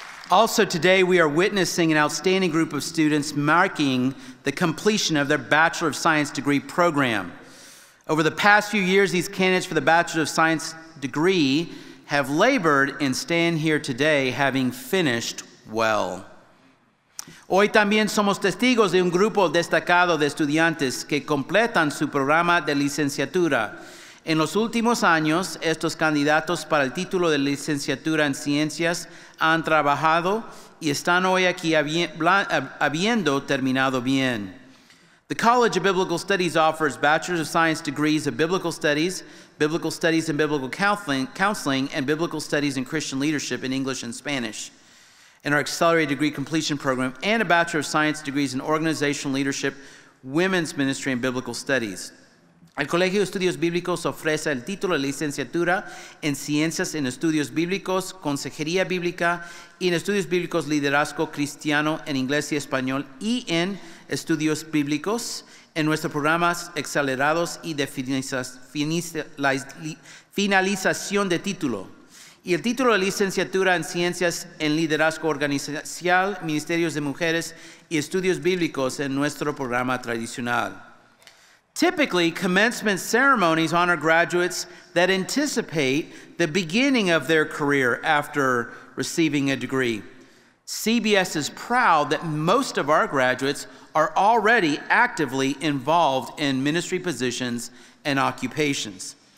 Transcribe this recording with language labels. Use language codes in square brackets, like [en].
[en] Also today, we are witnessing an outstanding group of students marking the completion of their Bachelor of Science degree program. Over the past few years, these candidates for the Bachelor of Science degree have labored and stand here today having finished well. [es] Hoy también somos testigos de un grupo destacado de estudiantes que completan su programa de licenciatura. En los últimos años, estos candidatos para el título de licenciatura en ciencias han trabajado y están hoy aquí habiendo terminado bien. [en] The College of Biblical Studies offers Bachelor of Science degrees of Biblical Studies in Biblical Counseling, and Biblical Studies in Christian Leadership in English and Spanish. In our Accelerated Degree Completion Program and a Bachelor of Science degrees in Organizational Leadership, Women's Ministry and Biblical Studies. [es] El Colegio de Estudios Bíblicos ofrece el título de licenciatura en Ciencias en Estudios Bíblicos, Consejería Bíblica, y en Estudios Bíblicos Liderazgo Cristiano en Inglés y Español, y en Estudios Bíblicos, en nuestros programas acelerados y de finalización de título. Y el título de licenciatura en Ciencias en Liderazgo Organizacional, Ministerios de Mujeres y Estudios Bíblicos en nuestro programa tradicional. [en] Typically, commencement ceremonies honor graduates that anticipate the beginning of their career after receiving a degree. CBS is proud that most of our graduates are already actively involved in ministry positions and occupations.